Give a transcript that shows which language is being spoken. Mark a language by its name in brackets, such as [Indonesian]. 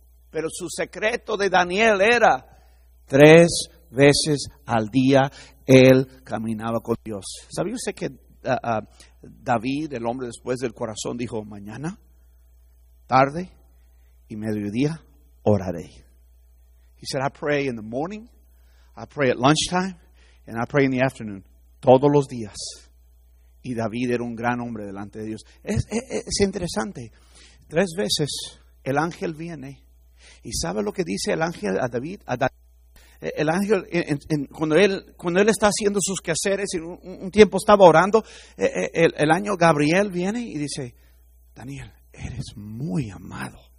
[Spanish] Pero su secreto de Daniel era 3 veces al día él caminaba con Dios. ¿Sabía usted que David, el hombre después del corazón, dijo: mañana, tarde y mediodía oraré? [English] He said, I pray in the morning, I pray at lunchtime, and I pray in the afternoon. [Spanish] Todos los días. Y David era un gran hombre delante de Dios. Es interesante. 3 veces el ángel viene. ¿Y sabe lo que dice el ángel a David? El ángel, cuando él está haciendo sus quehaceres y un tiempo estaba orando, el ángel Gabriel viene y dice: Daniel, eres muy amado.